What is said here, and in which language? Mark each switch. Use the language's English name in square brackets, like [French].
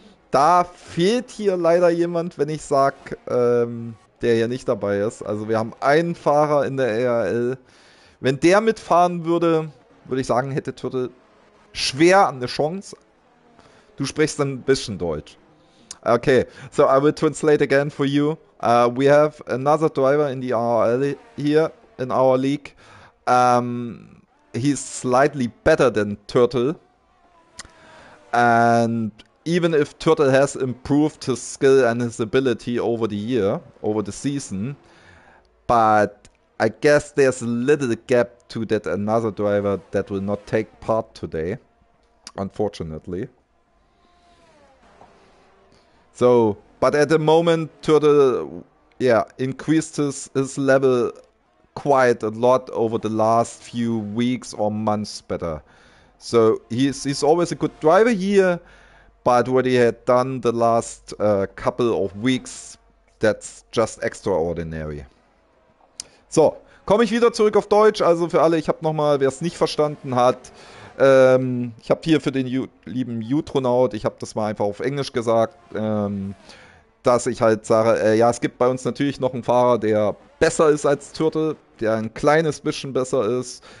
[German] Da fehlt hier leider jemand, wenn ich sag, der hier nicht dabei ist. Also wir haben einen Fahrer in der ERL. Wenn der mitfahren würde, würde ich sagen, hätte Turtle schwer eine Chance. Du sprichst ein bisschen Deutsch. [English] Okay, so I will translate again for you. We have another driver in the ERL here, in our league. He's slightly better than Turtle. And even if Turtle has improved his skill and his ability over the year, over the season, but I guess there's a little gap to that another driver that will not take part today, unfortunately. So, but at the moment, Turtle, yeah, increased his level quite a lot over the last few weeks or months better. So, he's always a good driver here, but what he had done the last couple of weeks, that's just extraordinary. [German] So, komme ich wieder zurück auf Deutsch. Also für alle, ich habe nochmal, wer es nicht verstanden hat, ich habe hier für den lieben Utronaut, ich habe das mal einfach auf Englisch gesagt, dass ich halt sage, ja, es gibt bei uns natürlich noch einen Fahrer, der besser ist als Turtle, der ein kleines bisschen besser ist.